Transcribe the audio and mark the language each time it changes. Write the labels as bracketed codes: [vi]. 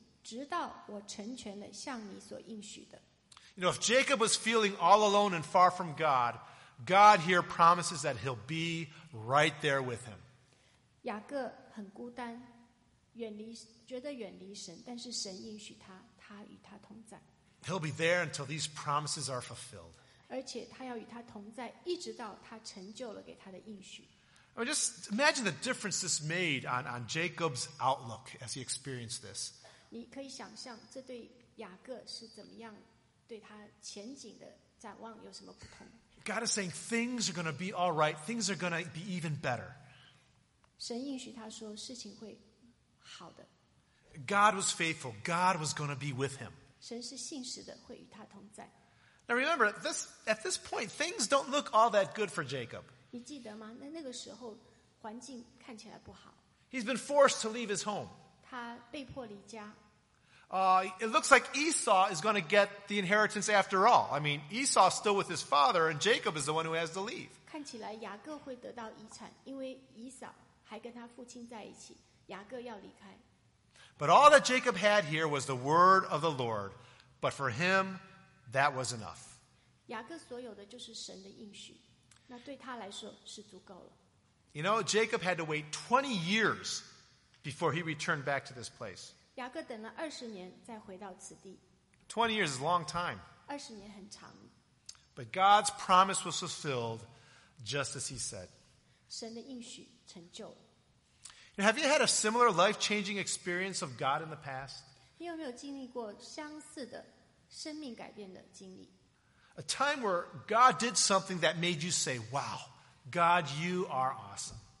[zh] 15节说我也要与你同在你无论往哪里去我必保佑你领你归回这地总不离弃你直到我成全了向你所应许的。 [en] You know, if Jacob was feeling all alone and far from God, God here promises that he'll be right there with him. [zh] 雅各很孤单, 远离, 觉得远离神, 但是神应许他, 他与他同在。 [en] He'll be there until these promises are fulfilled. [zh] 而且他要与他同在, 一直到他成就了给他的应许。 [en] I mean, just imagine the difference this made on Jacob's outlook as he experienced this. [zh] 你可以想象这对雅各是怎么样 [en] God is saying things are going to be all right. Things are going to be even better. [zh] 神应许他说事情会好的。 [en] God was faithful. God was going to be with him. [zh] 神是信实的会与他同在。 [en] Now remember, at this point, things don't look all that good for Jacob. [zh] 你记得吗? 那个时候环境看起来不好。 [en] He's been forced to leave his home. [zh] 他被迫离家。 [en] It looks like Esau is going to get the inheritance after all. I mean, Esau is still with his father, and Jacob is the one who has to leave. [zh] 看起来雅各会得到遗产, 因为以扫还跟他父亲在一起, 雅各要离开。 [en] But all that Jacob had here was the word of the Lord, but for him, that was enough. [zh] 那对他来说是足够了。 [en] You know, Jacob had to wait 20 years before he returned back to this place. [zh] 雅各等了20年再回到此地。 [en] 20 years is a long time. [zh] 20年很长。 [en] But God's promise was fulfilled just as he said. [zh] 神的应许成就了。 [en] Have you had a similar life-changing experience of God in the past? [zh] 你有没有经历过相似的生命改变的经历? [en] A time where God did something that made you say, Wow, God, you are awesome.